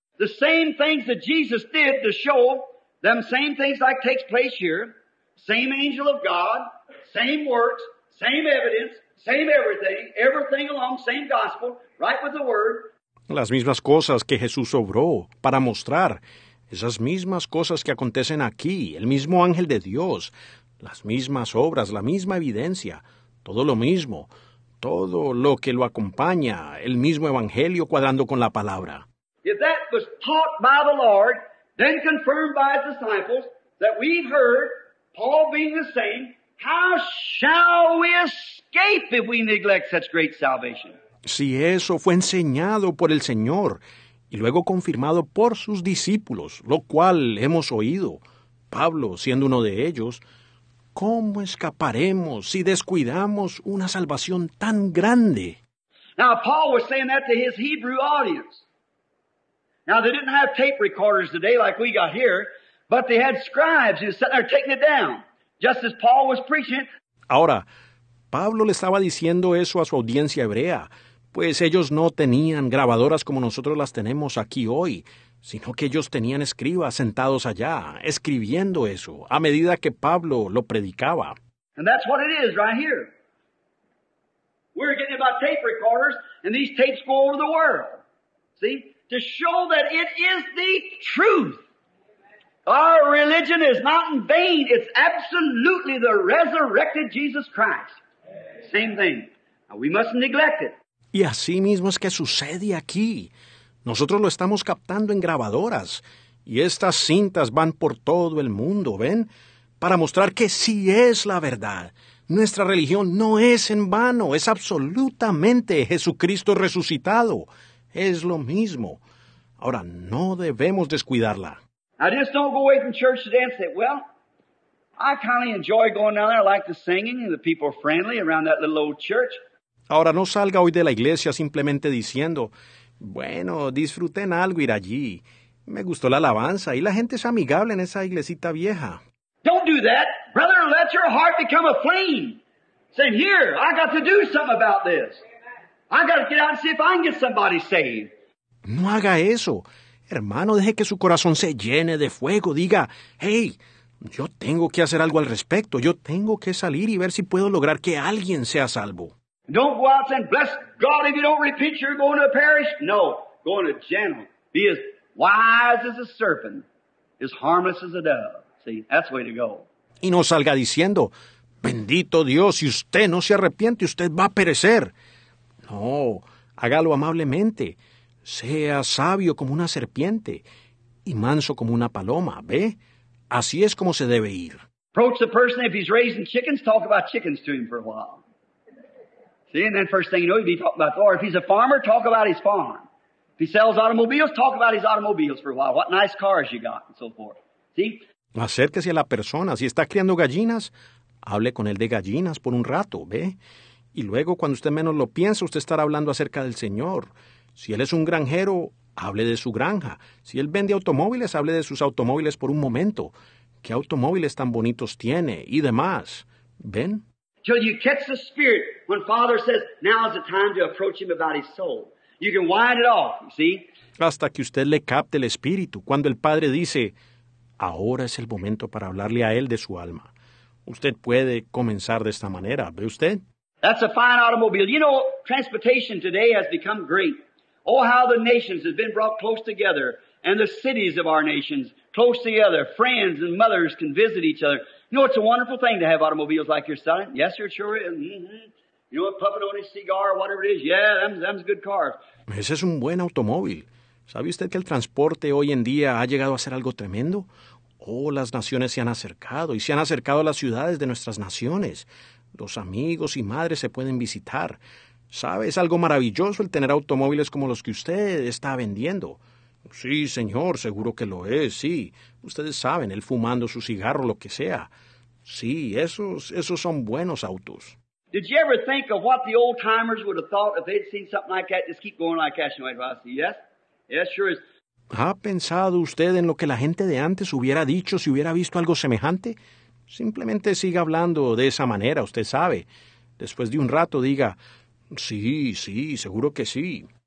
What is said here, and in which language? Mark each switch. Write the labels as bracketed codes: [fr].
[en] The same things that Jesus did to show them, same things like takes place here, same angel of God, same works, same evidence, same everything, everything along, same gospel, right with the word. [es] Las mismas cosas que Jesús obró para mostrar, esas mismas cosas que acontecen aquí, el mismo ángel de Dios, las mismas obras, la misma evidencia, todo lo mismo, todo lo que lo acompaña, el mismo evangelio cuadrando con la palabra. [en] If that was taught by the Lord, then confirmed by his disciples, that we've heard, Paul being the same, how shall we escape if we neglect such great salvation? [es] Si eso fue enseñado por el Señor, y luego confirmado por sus discípulos, lo cual hemos oído, Pablo siendo uno de ellos, ¿cómo escaparemos si descuidamos una salvación tan grande? [en] Now, Paul was saying that to his Hebrew audience. Now, they didn't have tape recorders today like we got here, but they had scribes who were sitting there taking it down, just as Paul was preaching. [es] Ahora, Pablo le estaba diciendo eso a su audiencia hebrea, pues ellos no tenían grabadoras como nosotros las tenemos aquí hoy, sino que ellos tenían escribas sentados allá, escribiendo eso, a medida que Pablo lo predicaba. [en] And that's what it is right here. We're getting about tape recorders, and these tapes go over the world. See? To show that it is the truth. Our religion is not in vain. It's absolutely the resurrected Jesus Christ. Same thing. Now we mustn't neglect it. [es] Y así mismo es que sucede aquí. Nosotros lo estamos captando en grabadoras. Y estas cintas van por todo el mundo, ¿ven? Para mostrar que sí es la verdad. Nuestra religión no es en vano. Es absolutamente Jesucristo resucitado. Es lo mismo. Ahora, no debemos descuidarla. [en] I just don't go away from church today and say, well, I kind of enjoy going down there. I like the singing and the people are friendly around that little old church. [es] Ahora, no salga hoy de la iglesia simplemente diciendo, bueno, disfruten algo ir allí. Me gustó la alabanza y la gente es amigable en esa iglesita vieja. [en] Don't do that. Brother, let your heart become a flame. Say, here, I got to do something about this. I got to get out and see if I can get somebody saved. [es] No haga eso. Hermano, deje que su corazón se llene de fuego. Diga, hey, yo tengo que hacer algo al respecto. Yo tengo que salir y ver si puedo lograr que alguien sea salvo. [en] Don't go out saying, bless God, if you don't repent, you're going to perish. No, going to gentle. Be as wise as a serpent, as harmless as a dove. See, that's the way to go. [es] Y no salga diciendo, bendito Dios, si usted no se arrepiente, usted va a perecer. No, hágalo amablemente. Sea sabio como una serpiente y manso como una paloma, ¿ve? Así es como se debe ir. [en] Approach the person, if he's raising chickens, talk about chickens to him for a while. See, and then first thing you know, he'd be talking about the Lord. If he's a farmer, talk about his farm. If he sells automobiles, talk about his automobiles for a while. What nice cars you got, and so forth. See? [es] Acérquese a la persona. Si está criando gallinas, hable con él de gallinas por un rato, ¿ve? Y luego, cuando usted menos lo piensa, usted estará hablando acerca del Señor. Si él es un granjero, hable de su granja. Si él vende automóviles, hable de sus automóviles por un momento. ¿Qué automóviles tan bonitos tiene? Y demás. ¿Ven? [en] Till you catch the spirit when Father says, now is the time to approach him about his soul. You can wind it off, you see? [es] Hasta que usted le capte el espíritu. Cuando el Padre dice, ahora es el momento para hablarle a él de su alma. Usted puede comenzar de esta manera. ¿Ve usted? [en] That's a fine automobile. You know, transportation today has become great. Oh, how the nations have been brought close together, and the cities of our nations close together. Friends and mothers can visit each other. You know, it's a wonderful thing to have automobiles like your son. Yes, sir, sure is. You know, puffing on his cigar or whatever it is. Yeah, them's good cars. [es] Ese es un buen automóvil. ¿Sabe usted que el transporte hoy en día ha llegado a ser algo tremendo? Oh, las naciones se han acercado, y se han acercado a las ciudades de nuestras naciones. Los amigos y madres se pueden visitar. ¿Sabe? Es algo maravilloso el tener automóviles como los que usted está vendiendo. Sí, señor, seguro que lo es, sí. Ustedes saben, él fumando su cigarro, lo que sea. Sí, esos son buenos autos. [en] Did you ever think of what the old timers would have thought if they'd seen something like that? Just keep going like cash and wait. Yes? Yes, sure is. [es] ¿Ha pensado usted en lo que la gente de antes hubiera dicho si hubiera visto algo semejante? Simplemente siga hablando de esa manera, usted sabe. Después de un rato diga, sí, sí, seguro que sí.